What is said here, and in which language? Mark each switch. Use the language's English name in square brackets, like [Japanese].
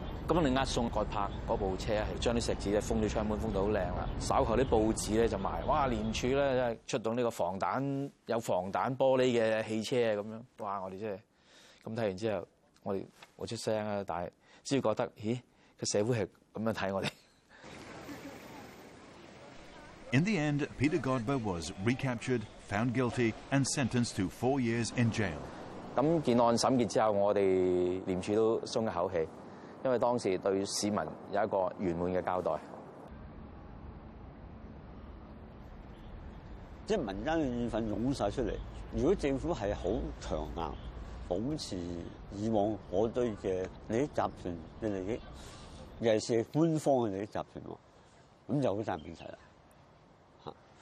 [Cantonese] 咁你押送葛柏嗰部車係將啲石子封咗窗門，封到好靚啦。稍後啲報紙咧就賣，哇！廉署咧真係出動呢個防彈有防彈玻璃嘅汽車咁樣，哇！我哋即係咁睇完之後，我出聲啊，但係只要覺得，咦？個社會係咁樣睇我哋。 [English] In the end, Peter Godber was recaptured, found guilty, and sentenced to 4 years in jail. [Cantonese] 咁件案審結之後，我哋廉署都鬆一口氣，因為當時對市民有一個圓滿嘅交代。即係民間嘅怨憤湧曬出嚟。如果政府係好強硬，保持以往嗰堆嘅利益集團嘅利益，尤其是官方嘅利益集團，咁就好大問題啦。